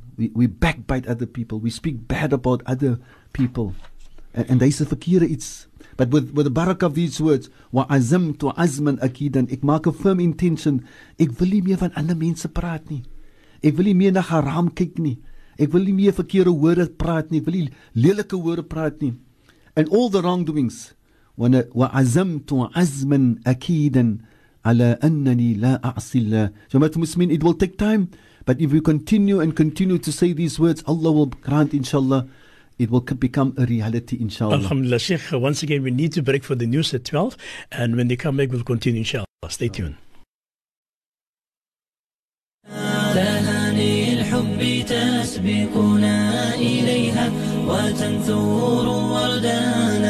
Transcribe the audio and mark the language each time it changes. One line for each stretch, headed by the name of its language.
English: We backbite other people. We speak bad about other people.
Afrikaans: And dis 'n verkeerde iets.
English: But with the barakah of these words,
Arabic: wa azamtu azman akidan,
Afrikaans: ek maak 'n firm intention, ek wil nie meer van ander mense praat nie. Ek wil nie meer na haram kyk nie. Ek wil nie meer verkeerde woorde praat nie. Ek wil nie lelike woorde praat nie.
English: And all the wrongdoings,
Arabic: wa azamtu azman akidan ala annani la a'si la.
English: Jamaat muslimin, it will take time, but if we continue and continue to say these words, Allah will grant, inshallah, it will become a reality, inshallah. Alhamdulillah, Sheikh. Once again, we need to break for the news at 12. And when they come back, we'll continue, inshallah. Stay tuned.
Arabic: تهاني الحب تسبقنا إليها وتنثور وردانا.